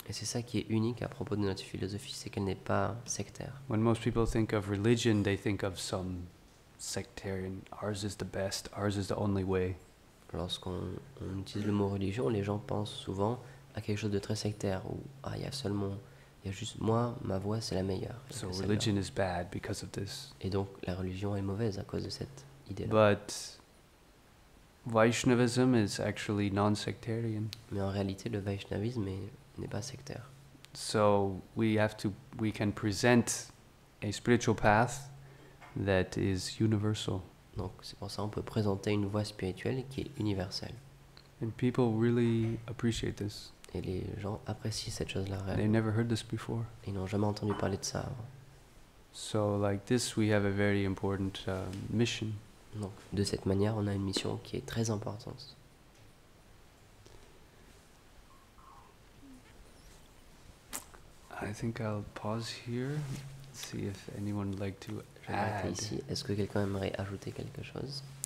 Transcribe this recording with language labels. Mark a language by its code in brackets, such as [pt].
[fr] Et c'est ça qui est unique à propos de notre philosophie, c'est qu'elle n'est pas sectaire. [en] When most people think of religion, they think of some sectarian. Ours is the best, ours is the only way. [fr] Lorsqu'on utilise le mot religion, les gens pensent souvent à quelque chose de très sectaire où il y a seulement il y a juste moi ma voix c'est la meilleure. [en] So religion is bad because of this. [fr] Et donc la religion est mauvaise à cause de cette idée-là. [en] But Vaishnavism is actually non-sectarian. [fr] Mais en réalité le Vaishnavisme n'est pas sectaire. [en] So we can present a spiritual path that is universal. [fr] Donc c'est pour ça on peut présenter une voie spirituelle qui est universelle. [en] And people really appreciate this. [fr] Et les gens apprécient cette chose-là réellement. [en] They never heard this before. [fr] Ils n'ont jamais entendu parler de ça avant. [en] So like this, we have a very important mission. [fr] Donc, de cette manière, on a une mission qui est très importante. [en] I think I'll pause here. See if anyone would like to add. [fr] Ici, est-ce que quelqu'un aimerait ajouter quelque chose?